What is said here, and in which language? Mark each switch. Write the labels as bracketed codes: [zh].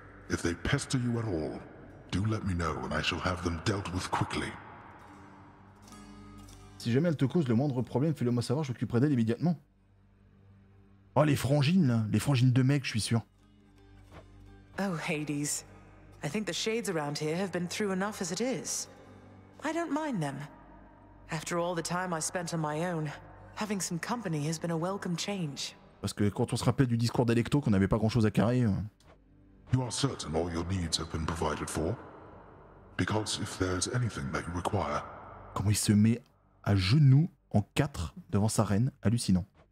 [en] If they pester you at all, do let me know and I shall have them dealt with quickly. [fr] Si jamais elle te cause le moindre problème, fais-le moi savoir, je m'occuperai d'elle immédiatement. Oh, les frangines, là. Les frangines de mec, je suis sûr. [en] Oh, Hades. I think the shades around here have been through enough as it is. I don't mind them. After all the time I spent on my own, having some company has been a welcome change. [fr] Parce que quand on se rappelait du discours d'Alecto, qu'on n'avait pas grand-chose à carrer... [en] You are certain all your needs have been provided for? Because if there's anything that you require... [fr] Comment il se met à genoux en quatre devant sa reine, hallucinant.